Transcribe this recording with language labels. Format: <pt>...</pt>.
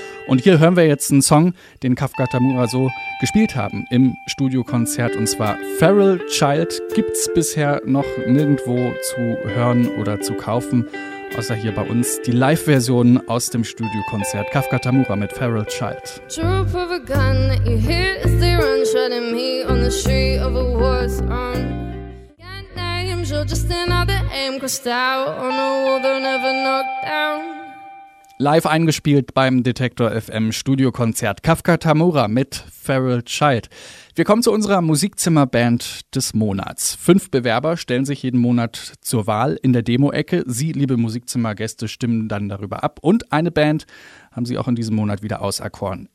<de>Und hier hören wir jetzt einen Song, den Kafka Tamura so gespielt haben im Studiokonzert. Und zwar Feral Child gibt's bisher noch nirgendwo zu hören oder zu kaufen, außer hier bei uns die Live-Version aus dem Studiokonzert. Kafka Tamura mit Feral Child.</de> <en>Drop of a gun that you hear is the run shredding me on the street of a war zone. Got names, you're just another aim crossed out on a wall they'll never knock down.</en> <de>Live eingespielt beim Detektor FM Studiokonzert. Kafka Tamura mit Feral Child. Wir kommen zu unserer Musikzimmerband des Monats. 5 Bewerber stellen sich jeden Monat zur Wahl in der Demo-Ecke. Sie, liebe Musikzimmergäste, stimmen dann darüber ab. Und eine Band haben sie auch in diesem Monat wieder auserkoren.</de>